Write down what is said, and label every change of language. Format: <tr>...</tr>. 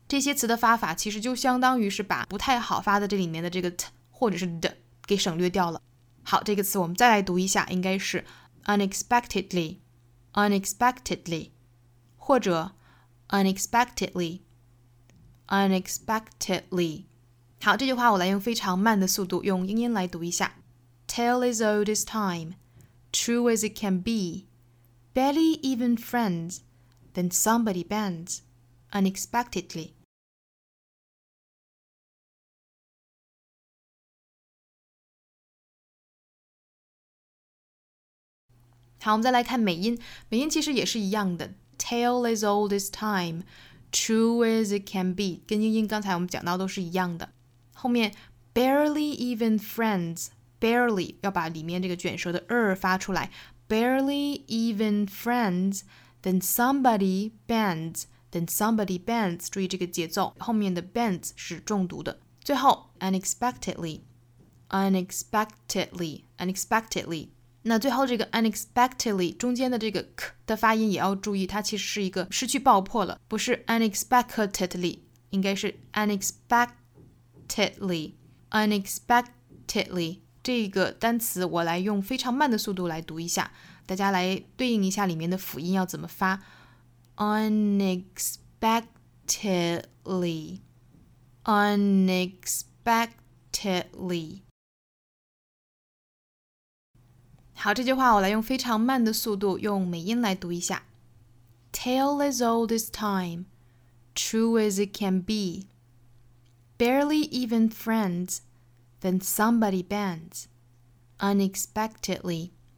<zh>这些词的发法其实就相当于是把不太好发的这里面的这个 t 或者是 d 给省略掉了。好，这个词我们再来读一下，应该是</zh> <en>unexpectedly, unexpectedly,</en> <zh>或者 unexpectedly, unexpectedly。好，这句话我来用非常慢的速度用英音来读一下。</zh> <en>Tale as old as time, true as it can be, barely even friends, then somebody bends, unexpectedly.</en> <zh>好，我们再来看美音，美音其实也是一样的。</zh> <en>Tale as old as time, true as it can be,</en> <zh>跟英音刚才我们讲到都是一样的。后面 barely even friends, barely 要把里面这个卷舌的 r 发出来。</zh> <en>Barely even friends, then somebody bends, then somebody bends.</en> <zh>注意这个节奏，后面的 bends 是重读的。最后</zh> <en>unexpectedly, unexpectedly, unexpectedly.</en> <zh>那最后这个 unexpectedly 中间的这个 k 的发音也要注意，它其实是一个失去爆破了，不是 unexpectedly， 应该是</zh> <en>unexpectedly unexpectedly。</en> <zh>这个单词我来用非常慢的速度来读一下，大家来对应一下里面的辅音要怎么发。</zh> <en>unexpectedly unexpectedly。</en> <zh>好，这句话我来用非常慢的速度用美音来读一下。</zh> <en>Tale as old as time, true as it can be, barely even friends, then somebody bends, unexpectedly.</en>